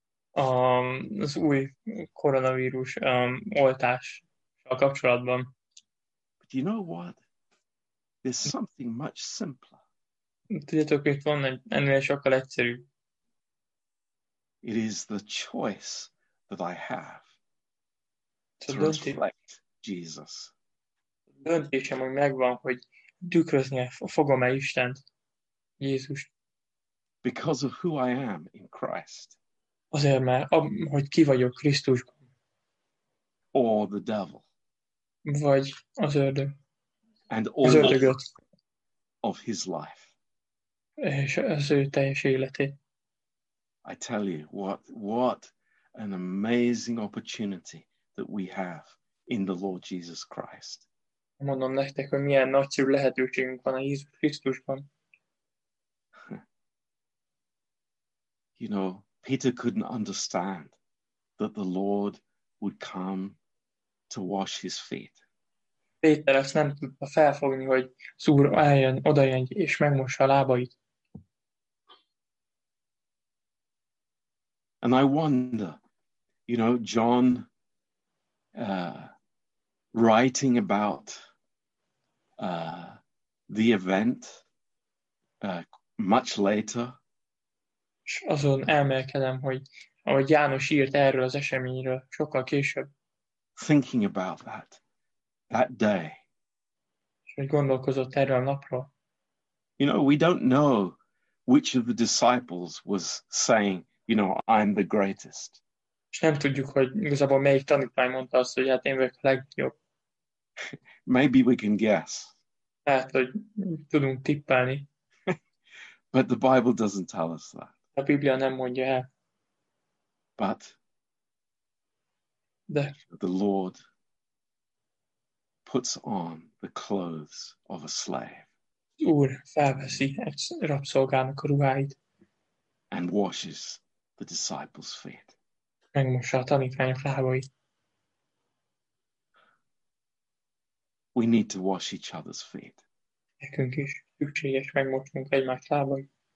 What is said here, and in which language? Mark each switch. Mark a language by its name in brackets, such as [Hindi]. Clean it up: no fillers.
[Hungarian] Az új koronavírus oltással kapcsolatban. [English] But you know what? There's something much simpler. [Hungarian] Tudjátok, itt van ennél sokkal egyszerűbb. [English] It is the choice that I have to reflect Jesus. [Hungarian] Döntésem, hogy megvan, hogy tükrözni fogom-e Istent, Jézus. [English] Because of who I am in Christ. [Hungarian] Azért, mert hogy ki vagyok Krisztusban. [English] Or the devil. [Hungarian] Vagy az ördög. [English] And all of his life. [Hungarian] És az ő teljes életét. [English] I tell you, what an amazing opportunity that we have in the Lord Jesus Christ. [Hungarian] Mondom nektek, hogy milyen nagyszerű lehetőségünk van a Jézus Krisztusban. [English] You know, Peter couldn't understand that the Lord would come to wash his feet. [Hungarian] Péter ezt nem tudta felfogni, hogy az Úr eljön, odajön és megmossa a lábait. [English] And I wonder, you know, John writing about the event much later. [Hungarian] És azon elmélkedem, hogy ahogy János írt erről az eseményről sokkal később. [English] Thinking about that day. [Hungarian] És hogy gondolkozott erről a napról. [English] You know, we don't know which of the disciples was saying, you know, I'm the greatest. [Hungarian] És nem tudjuk, hogy igazából melyik tanítvány mondta azt, hogy hát én vagyok a legjobb. [English] Maybe we can guess. [Hungarian] Hát, hogy tudunk tippelni. [English] But the Bible doesn't tell us that. [Hungarian] A Biblia nem mondja el. [English] But [Hungarian] de. [English] The Lord puts on the clothes of a slave. [Hungarian] Úr felveszi egy rabszolgának a ruháit. [English] And washes the disciples' feet. [Hungarian] Megmossa a tanítványok lábait. [English] We need to wash each other's feet. [Hungarian] Nekünk is szükséges megmossunk egymás lábait.